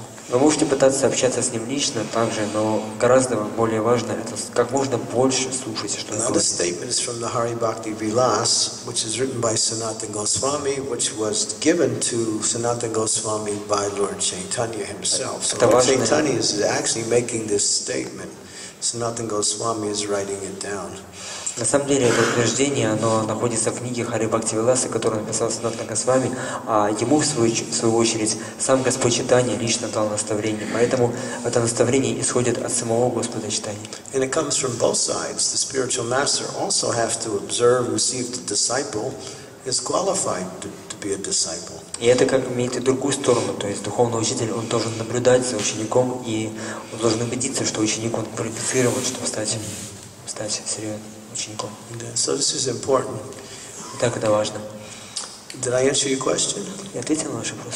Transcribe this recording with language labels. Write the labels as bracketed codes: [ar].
[ru] Вы можете пытаться общаться с ним лично также, но гораздо более важно это как можно больше слушать, что он говорит. [en] Statement is from the Hari Bhakti Vilas, which is written by Sanatana Goswami, which was given to Sanatana Goswami by Lord Chaitanya himself. So Lord Chaitanya is actually making this statement. Sanatana Goswami is writing it down. [ru] На самом деле, это утверждение, оно находится в книге Хари Бхакти Виласа, которую написал Санатана Госвами, а ему, в свою очередь, сам Господь Читания лично дал наставление. Поэтому это наставление исходит от самого Господа Читания. [en] And it comes from both sides. The spiritual master also has to observe, receive the disciple, is qualified to be a disciple. [ru] И это как имеет и другую сторону, то есть духовный учитель, он должен наблюдать за учеником, и он должен убедиться, что ученик, он квалифицирован, чтобы стать серьезным. [en] So this is important. [ru] Так это важно. [en] Did I answer your question? [ru] Я ответил на ваш вопрос.